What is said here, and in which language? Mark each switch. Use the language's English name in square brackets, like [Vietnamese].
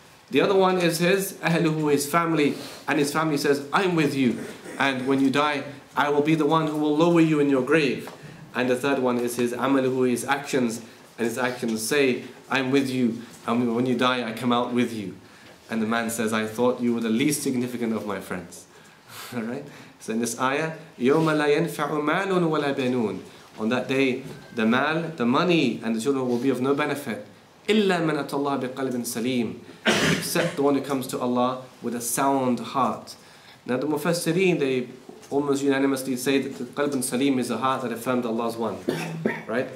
[English] The other one is his أَهْلُهُ, his family. And his family says, I'm with you. And when you die, I will be the one who will lower you in your grave. And the third one is his amaluhu, his actions. And his actions say, I'm with you. And when you die, I come out with you. And the man says, I thought you were the least significant of my friends. Alright? So in this ayah, [Arabic] يَوْمَ لَا يَنْفَعُ مَالٌ وَلَا بَنُونَ. [English] On that day, the mal, the money, and the children will be of no benefit. [Arabic] إِلَّا مَنْ أَتَى اللَّهَ بِقَلْبٍ سَلِيمٍ. [English] Except the one who comes to Allah with a sound heart. Now the mufassireen, they almost unanimously say that the qalb al-saleem is a heart that affirmed Allah's one, right?